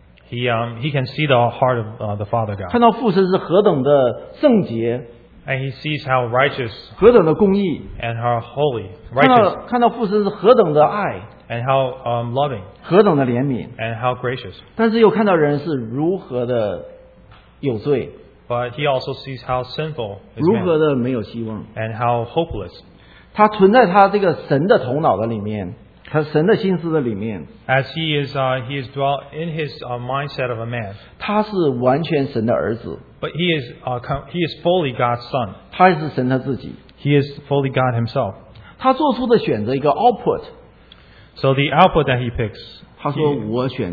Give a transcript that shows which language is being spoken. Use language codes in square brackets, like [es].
[en] He can see the heart of the Father God. [zh] 看到父神是何等的圣洁。 [en] And he sees how righteous [zh] 何等的公义, [en] and how holy, righteous, [zh] 看到父神是何等的爱, [en] and how loving, [zh] 何等的怜悯, [en] and how gracious. [zh] 但是又看到人是如何的有罪, [en] but he also sees how sinful is man, [zh] 如何的没有希望, [en] and how hopeless. [zh] 他存在他这个神的头脑的里面, 他神的心思的里面, [en] as he is dwelt in his mindset of a man, [zh] 他是完全神的儿子, [en] but he is fully God's son. [zh] 他也是神他自己, [en] he is fully God himself. [zh] 他做出的选择一个 output, [en] so the output that he picks,